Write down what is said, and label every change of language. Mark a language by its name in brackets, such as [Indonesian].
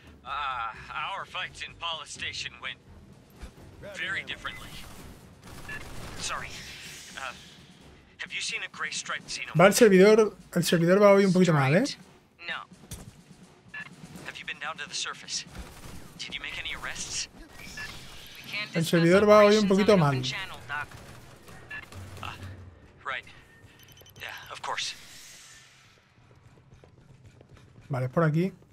[English] Our fights in Paula Station went very differently. Sorry. Have you seen a gray striped xenomorph? [Spanish] Va el servidor va hoy un poquito mal, ¿eh? [English] No. Have you been down to the surface? Did you make any arrests? [Spanish] El servidor va hoy un poquito mal. [English] Right. Yeah, of course. [Spanish] Vale, por aquí.